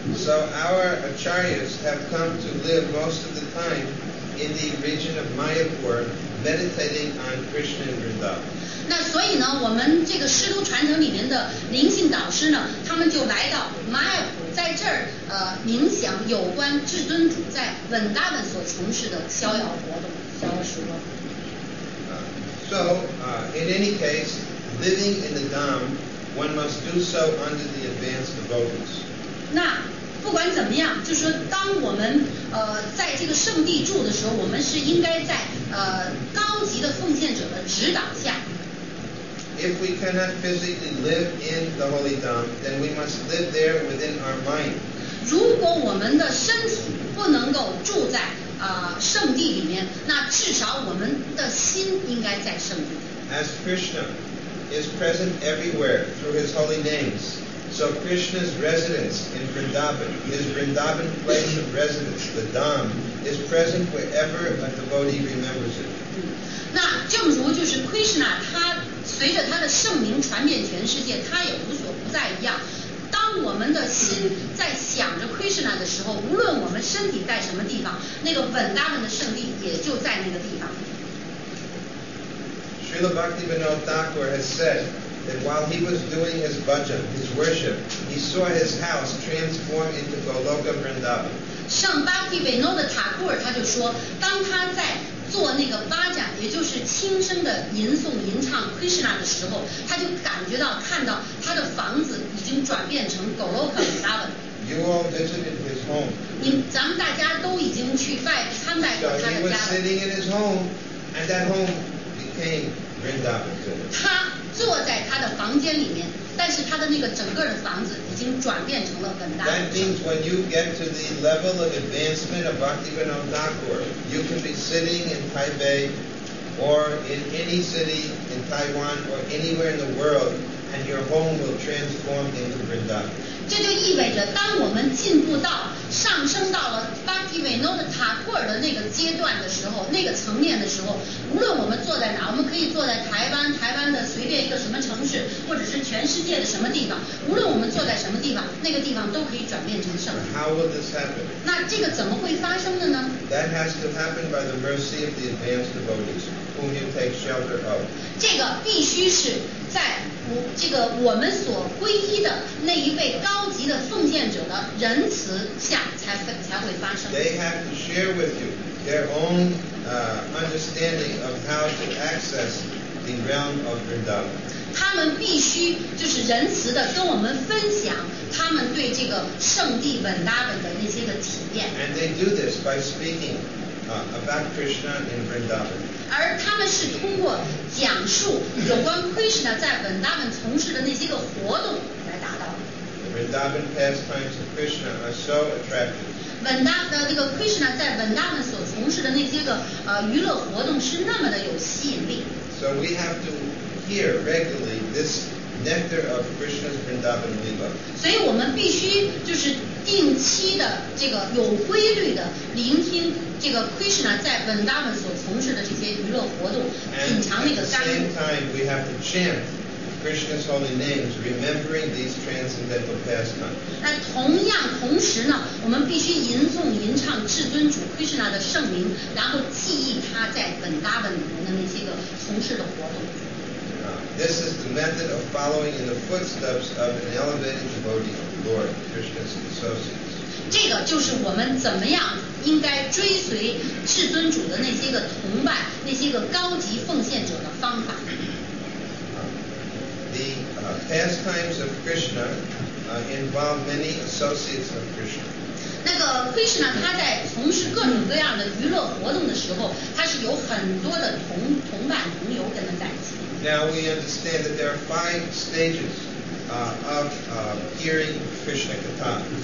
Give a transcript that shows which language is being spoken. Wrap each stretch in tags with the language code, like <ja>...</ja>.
<en>So our acharyas have come to live most of the time in the region of Mayapur, meditating on Krishna and Vrindavan.</en> <zh>那所以呢，我们这个师徒传承里面的灵性导师呢，他们就来到 Mayapur。在这儿冥想有关至尊主在稳达本所从事的逍遥活动逍遥时光。</zh> <en>In any case, living in the Dham, one must do so under the advanced devotees.</en> <zh>那不管怎么样，就是说当我们在这个圣地住的时候，我们是应该在高级的奉献者的指导下。</zh> <en>If we cannot physically live in the holy Dham, then we must live there within our mind.</en> <zh>如果我们的身体不能够住在圣地里面，那至少我们的心应该在圣地。</zh> <en>As Krishna is present everywhere through his holy names, so Krishna's residence in Vrindavan, his Vrindavan place of residence, the Dham, is present wherever a devotee remembers it.</en> <zh>那正如就是 Krishna 他随着他的圣名传遍全世界，他也无所不在一样。当我们的心在想着 Krishna 的时候，无论我们身体在什么地方，那个稳当的圣地也就在那个地方。</zh> <en>Srila Bhaktivinoda Thakur has said that while he was doing his bhajan, his worship, he saw his house transform into Goloka Vrindavan.</en> <zh>圣 Bhaktivinoda Thakur 他就说，当他在做那个巴掌，也就是轻声的吟诵吟唱 Krishna 的时候，他就感觉到看到他的房子已经转变成 Goloka Vrindavan。</zh> <en>You all visited his home.</en> <zh>咱们大家都已经去参拜过他的家了。</zh> <en>So he was sitting in his home, and that home became Vrindavan.</en> <zh>他坐在他的房间里面，但是他的那个整个的房子已经转变成了 Vrindavan。</zh> <en>That means when you get to the level of advancement of Bhaktivinoda Thakur, you can be sitting in Taipei or in any city in Taiwan or anywhere in the world, and your home will transform into Vrindavan.</en> <zh>这就意味着，当我们进步到上升到了 Bhaktivinoda Thakur 的那个阶段的时候，那个层面的时候，无论我们坐在哪，我们可以坐在台湾的随便一个什么城市，或者是全世界的什么地方，无论我们坐在什么地方，那个地方都可以转变成圣。</zh> <en>How will this happen?</en> <zh>那这个怎么会发生的呢？</zh> <en>That has to happen by the mercy of the advanced devotees whom you take shelter of.</en> <zh>这个必须是在这个我们所皈依的那一位高级的奉献者的仁慈下才会发生。</zh> <en>They have to share with you their own understanding of how to access the realm of Vrindavan.</en> <zh>他们必须就是仁慈的跟我们分享他们对这个圣地稳达本的那些个体验。</zh> <en>And they do this by speaking about Krishna in Vrindavan.</en> <zh>而他们是通过讲述有关 Krishna 在稳达本从事的那些个活动来达到。</zh> <en>Vrindavan pastimes of Krishna are so attractive.</en> <zh>稳达的这个 Krishna 在稳达本所从事的那些个娱乐活动是那么的有吸引力。</zh> <en>So we have to hear regularly this nectar of Krishna's Vrindavan Leela.</en> <zh>所以我们必须就是定期的这个有规律的聆听这个 Krishna 在 Vrindavan 所从事的这些娱乐活动，品尝那个甘露。</zh> <en>And at the same time, we have to chant Krishna's holy names, remembering these transcendental pastimes.</en> <zh>那同时呢，我们必须吟诵吟唱至尊主 Krishna 的圣名，然后记忆他在 Vrindavan 里面的那些个从事的活动。</zh> <en>This is the method of following in the footsteps of an elevated devotee of the Lord, Krishna's associates.</en> <zh>这个就是我们怎么样应该追随至尊主的那些个同伴，那些个高级奉献者的方法。</zh> <en>The pastimes of Krishna involve many associates of Krishna.</en> <zh>那个 Krishna 他在从事各种各样的娱乐活动的时候，他是有很多的同伴同游跟他在一起。</zh> <en>Now we understand that there are 5 stages of hearing Krishna Katha.</en>